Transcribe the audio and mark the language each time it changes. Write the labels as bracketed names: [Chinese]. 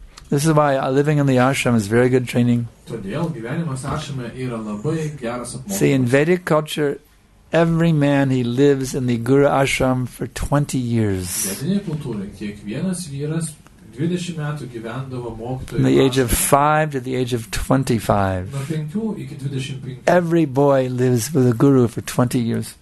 [English] This is why living in the ashram is very good training. [Lithuanian] Todėl gyvenimas ashrame yra labai geras apmokymas. [English] See, in Vedic culture, every man, he lives in the guru ashram for 20 years. [Lithuanian] Vedinėje kultūroje kiekvienas vyras 20 metų gyvendavo mokytojų. [English] From the age of 5 to the age of 25. [Lithuanian] Nuo 5 iki 25. [English] Every boy lives with a guru for 20 years.